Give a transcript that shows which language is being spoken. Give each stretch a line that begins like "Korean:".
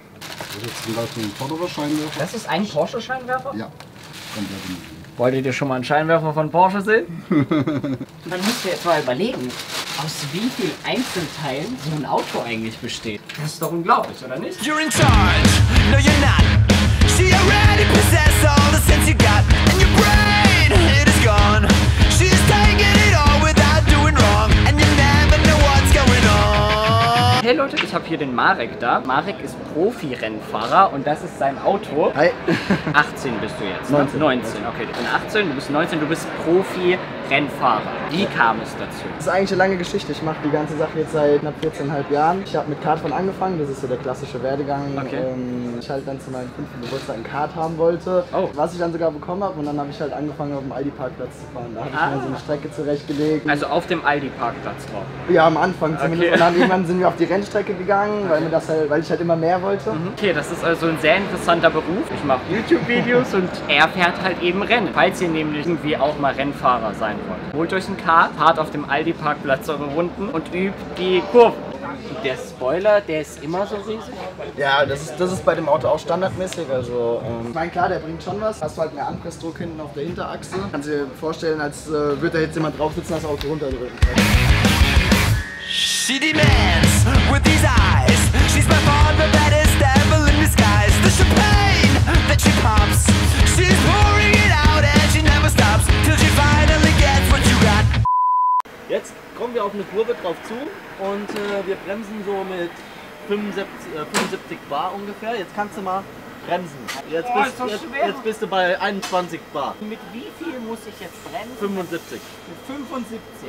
German: Das ist zum Beispiel ein Porsche-Scheinwerfer. Das ist ein Porsche-Scheinwerfer? Ja. Komplett in Wolltet ihr schon mal einen Scheinwerfer von Porsche sehen? Man muss sich jetzt mal überlegen, aus wie vielen Einzelteilen so ein Auto eigentlich besteht. Das ist doch unglaublich, oder nicht?
English: You're in charge. No, you're not. She already possessed all the sense you got. And your brain, it is gone. She's taking it all without doing wrong. And you never know what's going on. Hey
German: Leute, ich habe hier den Marek da. Marek ist Profi-Rennfahrer und das ist sein Auto. Hi. 18 bist du jetzt. 19. Okay, ich bin 18, du bist 19, du bist Profi-Rennfahrer. Wie kam es dazu? Das ist eigentlich eine lange Geschichte. Ich mache die ganze Sache jetzt seit knapp 14,5 Jahren. Ich habe mit Kartfahren angefangen, das ist so der klassische Werdegang. Okay. Ich halt dann zu meinem 5. Geburtstag ein Kart haben wollte. Oh. Was ich dann sogar bekommen habe und dann habe ich halt angefangen auf dem Aldi-Parkplatz zu fahren. Da habe ich mir so eine Strecke zurechtgelegt. Also auf dem Aldi-Parkplatz drauf? Ja, am Anfang zumindest. Okay. Und dann irgendwann sind wir auf die Rennstrecke gegangen, okay, weil mir das halt, weil ich halt immer mehr wollte. Okay, das ist also ein sehr interessanter Beruf. Ich mache YouTube-Videos und er fährt halt eben Rennen. Falls ihr nämlich irgendwie auch mal Rennfahrer sein wollt, holt euch ein Kart, fahrt auf dem Aldi-Parkplatz eure Runden und übt die Kurven. Der Spoiler, der ist immer so riesig? Ja, das ist bei dem Auto auch standardmäßig. Also, ich meine, klar, der bringt schon was. Hast du halt mehr Anpressdruck hinten auf der Hinterachse. Kannst du dir vorstellen, als würde da jetzt jemand drauf sitzen, das Auto runterdrücken.
English: She demands with these eyes. She's by far the baddest devil in disguise. The champagne that she pops. She's pouring it out and she never stops. Till she finally gets what you got.
German: Jetzt kommen wir auf eine Kurve drauf zu und wir bremsen so mit 75 Bar ungefähr. Jetzt kannst du mal bremsen. Jetzt, boah, jetzt bist du bei 21 Bar. Mit wie viel muss ich jetzt bremsen? 75. Mit 75?